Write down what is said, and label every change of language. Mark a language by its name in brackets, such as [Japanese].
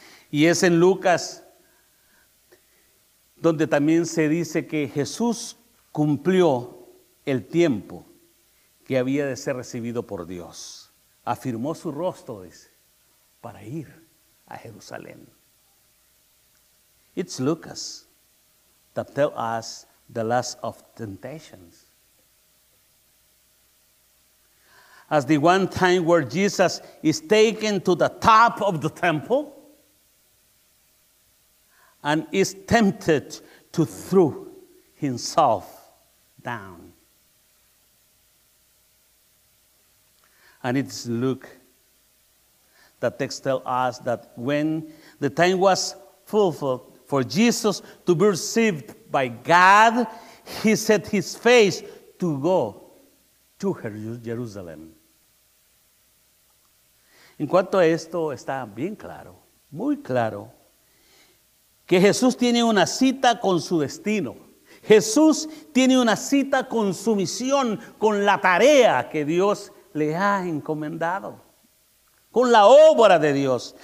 [Spanish] Y es en Lucas donde también se dice que Jesús cumplió el tiempo que había de ser recibido por Dios. Afirmó su rostro, dice, para ir a Jerusalén. [English] It's Lucas that tells us the last of temptations. As the one time where Jesus is taken to the top of the temple and is tempted to throw himself down. And it's Luke that text tells us that when the time was fulfilled for Jesus to be received by God, he set his face to go to Jerusalem. [Spanish] En cuanto a esto, está bien claro, muy claro, que Jesús tiene una cita con su destino. Jesús tiene una cita con su misión, con la tarea que Dios le ha encomendado, con la obra de Dios.